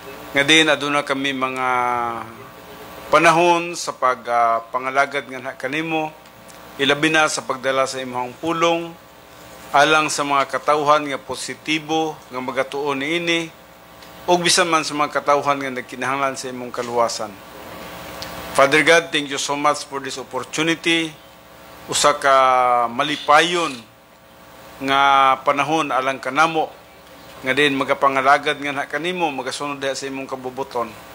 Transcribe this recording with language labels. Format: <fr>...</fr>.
<ceb>Nga din, aduna kami mga panahon sa pagpangalagad nga kanimo, ilabi na sa pagdala sa imong pulong, alang sa mga katawhan nga positibo nga magatuon niini, ug bisan man sa mga katawhan nga nagkinahanglan sa imong kaluwasan.</ceb> <en>Father God, thank you so much for this opportunity.</en> <ceb>Usa ka malipayon nga panahon alang kanamo nga din magapangalagad nga kanimo, magasunod diha sa imong kabubuton.</ceb>